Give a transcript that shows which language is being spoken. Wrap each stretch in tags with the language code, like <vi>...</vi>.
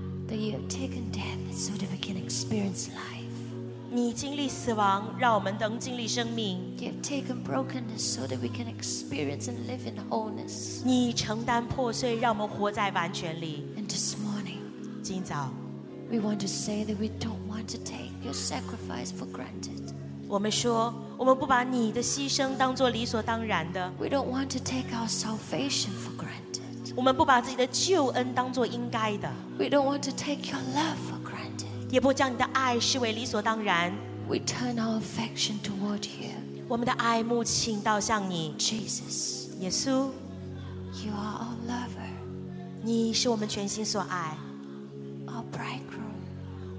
<en>that you have taken death so that we can experience life.</en> <zh>你经历死亡，让我们能经历生命。</zh> <en>You have taken brokenness so that we can experience and live in wholeness.</en> <zh>你承担破碎，让我们活在完全里。</zh> <en>And this morning,</en> <zh>今早</zh> <en>we want to say that we don't want to take your sacrifice for granted.</en> <zh>我们说，我们不把你的牺牲当作理所当然的。</zh> <en>We don't want to take our salvation for granted.</en> <zh>我们不把自己的救恩当作应该的。</zh> <en>We don't want to take your love for granted.</en> <zh>也不将你的爱视为理所当然。</zh> <en>We turn our affection toward you.</en> <zh>我们的爱慕倾倒向你。</zh> <en>Jesus,</en> <zh>耶稣</zh> <en>you are our lover.</en> <zh>你是我们全心所爱。</zh> <en>Our bridegroom.</en>